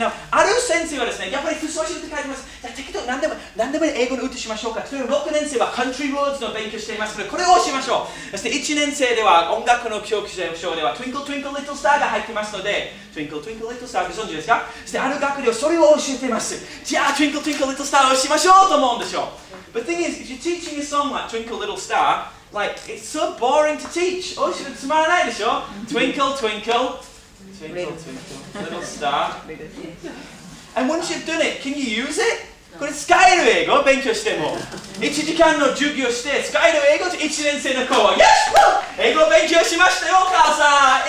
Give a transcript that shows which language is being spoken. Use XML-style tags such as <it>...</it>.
<ja>Now, ある先生はですね、やっぱりふさわしいって書いてます。適当に何でも英語の歌しましょうか。例えば6年生はカントリーロードの勉強していますので、これをしましょう。そして1年生では音楽の教科書では Twinkle Twinkle Little Star が入っていますので、 Twinkle Twinkle Little Star ご存知ですか。そしてある学校ではそれを教えています。じゃあ Twinkle Twinkle Little Star をしましょうと思うんでしょう。</ja> <en>But the thing is, if you're teaching a song like Twinkle Little Star, like, it's so boring to teach.</en> <ja>おしろつまらないでしょ。</ja> <en>Twinkle Twinkle Twinkle Twinkle Little Star. And once you've done it, can you use it</en> <ja>これ使える英語を勉強しても、1時間の授業して使える英語と1年生の子は Yes! 英語勉強しましたよ、お母さん。</ja>